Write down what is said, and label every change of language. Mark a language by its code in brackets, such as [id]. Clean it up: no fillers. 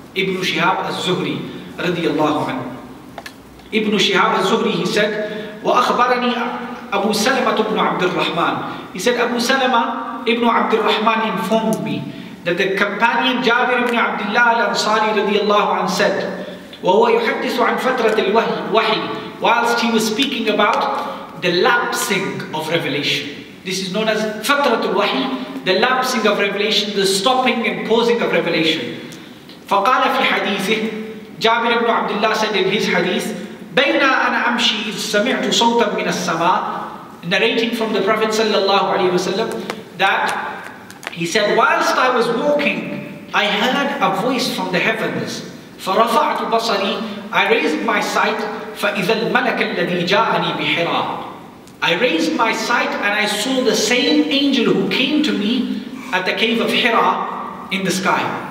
[en] Ibn Shihab al-Zuhri, radiyallahu anhu. Ibn Shihab al-Zuhri, he said, [ar] وَأَخْبَرَنِي أَبُو سَلَمَةُ بْنُ عَبْدِ الرَّحْمَانِ. [en] He said, Abu Salama ibn Abd al-Rahman informed me that the companion Jabir ibn Abdullah al-Ansari, radiyallahu anhu, said, [ar] وَهُوَ يُحَدِّثُ عَنْ فَتْرَةِ الْوَحِيِ. [en] Whilst he was speaking about the lapsing of revelation. This is known as فَتْرَةُ الْوَحِيِ, the lapsing of revelation, the stopping and pausing of revelation. [ar] فَقَالَ فِي حَدِيثِهِ. [en] Jabir ibn Abdullah said in his hadith, [ar] بَيْنَا أَنَا أَمْشِي إِذْ سَمِعْتُ صَوْتًا مِنَ السَّمَاءِ. [en] Narrating from the Prophet sallallahu alayhi wa sallam that he said, whilst I was walking, I heard a voice from the heavens. [ar] فَرَفَعْتُ بَصَرِي. [en] I raised my sight. [ar] فَإِذَا الْمَلَكَ الَّذِي جَاءَنِي بِحِرَى. [en] I raised my sight and I saw the same angel who came to me at the cave of Hira in the sky.